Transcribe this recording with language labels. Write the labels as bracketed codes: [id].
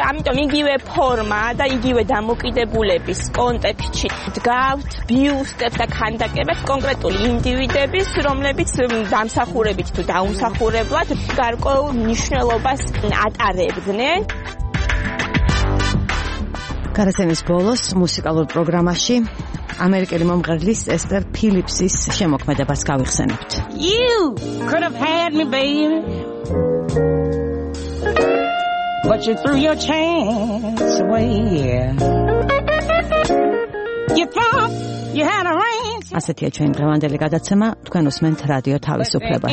[ka] ამიტომ იგივე ფორმა და იგივე დამოკიდებულების კონტექსტში დგავთ ბიუსტებს და ქანდაკებებს კონკრეტული ინდივიდების, რომლებიც დამსახურებით თუ დაუმსახურებლად გარკვეულ მნიშვნელობას ატარებდნენ. გარესენის ბოლოს მუსიკალურ პროგრამაში ამერიკელი მომღერლის ესტერ ფილიპსის შემოქმედებას გავიხსენებთ. [en] You could have had me, baby, but you threw your chance away, yeah. You thought you had a range. [ka] ასეთია ჩვენი დღევანდელი გადაცემა. თქვენ უსმენთ რადიო თავისუფლებას.